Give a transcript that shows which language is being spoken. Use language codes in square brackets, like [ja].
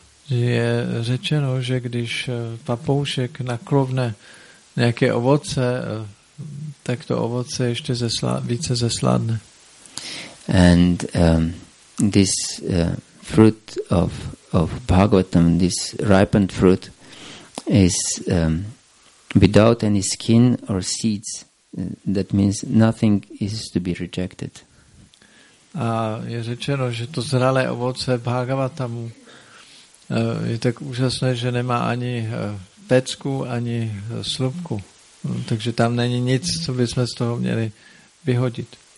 [cs] Je řečeno, že když papoušek naklovne nějaké ovoce, tak to ovoce ještě více zesládne. [en] And this fruit of Bhagavatam, this ripened fruit, is without any skin or seeds. That means nothing is to be rejected. [cs] A je řečeno, že to zralé ovoce Bhagavatamu je tak úžasné, že nemá ani pecku, ani slupku. Takže tam není nic, co bychom z toho měli vyhodit.